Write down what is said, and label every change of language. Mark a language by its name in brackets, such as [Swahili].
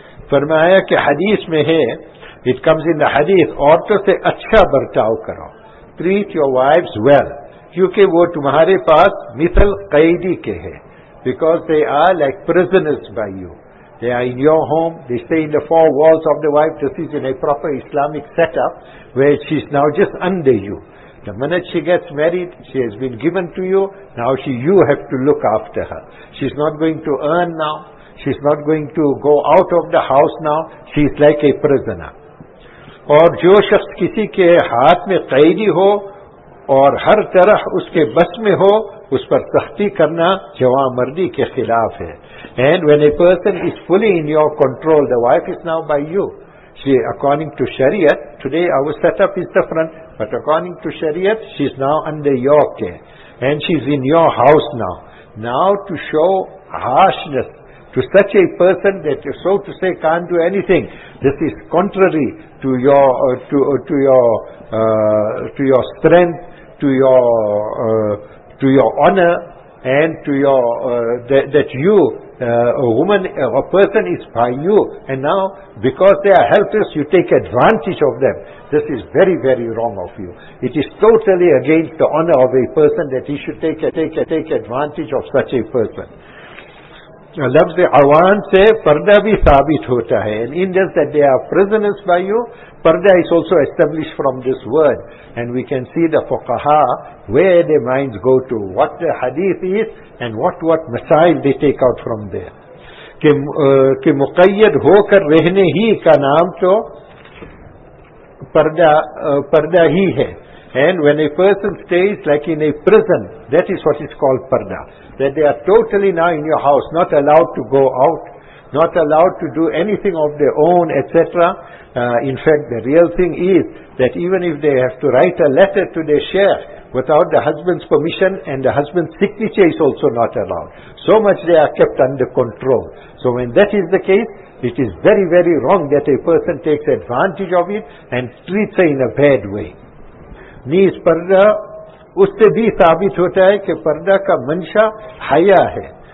[Urdu] فرمایا کہ حدیث میں ہے, [English] it comes in the حدیث, [Urdu] عورتوں سے اچھا برتاؤ کرو, [English] treat your wives well, [Urdu] کیونکہ وہ تمہارے پاس مثل قیدی کے ہیں, [English] because they are like prisoners by you, they are in your home, they stay in the four walls of the wife, this is in a proper Islamic setup, where she is now just under you. The minute she gets married, she has been given to you, now you have to look after her. She is not going to earn now, she is not going to go out of the house now. She is like a prisoner. [Urdu] اور جو شخص کسی کے ہاتھ میں قیدی ہو اور ہر طرح اس کے بس میں ہو اس پر سختی کرنا جوان مردی کے خلاف ہے. [English] And when a person is fully in your control, the wife is now by you. She, according to Sharia, today our setup is different, but according to Sharia, she is now under your care. And she is in your house now. Now to show harshness to such a person that you, so to say, can't do anything, this is contrary to your to your strength, to your honor, and to your a person is by you, and now because they are helpless, you take advantage of them. This is very, very wrong of you. It is totally against the honor of a person that he should take advantage of such a person. [Urdu] لفظ عوان سے پردہ بھی ثابت ہوتا ہے. [English] And in this that they are prisoners by you, پردہ is also established from this word. And we can see the fuqaha, where their minds go to, what the hadith is, and what masail they take out from there. [Urdu] کہ مقید ہو کر رہنے ہی کا نام تو پردہ ہی ہے. [English] And when a person stays like in a prison, that is what is called parda. That they are totally now in your house, not allowed to go out, not allowed to do anything of their own, etc. In fact, the real thing is that even if they have to write a letter to their sheikh without the husband's permission, and the husband's signature is also not allowed. So much they are kept under control. So when that is the case, it is very, very wrong that a person takes advantage of it and treats her in a bad way. [Urdu] نیز پردہ اس سے بھی ثابت ہوتا ہے کہ پردہ کا منشا حیا ہے.